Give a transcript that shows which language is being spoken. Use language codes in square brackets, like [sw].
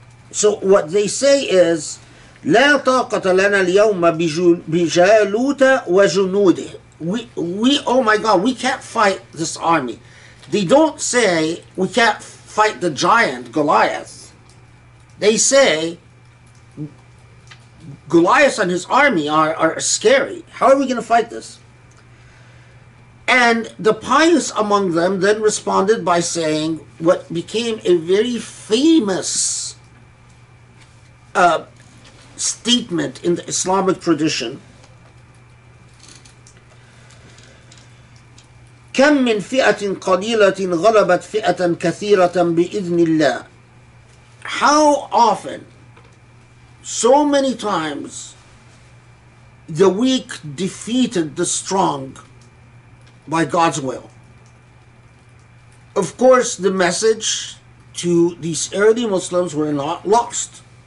[en] So what they say is, [ar] لا طاقة لنا اليوم بجالوت وجنوده. [en] We can't fight this army. They don't say we can't fight the giant Goliath. They say Goliath and his army are scary. How are we going to fight this? And the pious among them then responded by saying what became a very famous statement in the Islamic tradition. [ar] كم من فئة قليلة غلبت فئة كثيرة بإذن الله. [en] How often, so many times, the weak defeated the strong by God's will. Of course, the message to these early Muslims were not lost.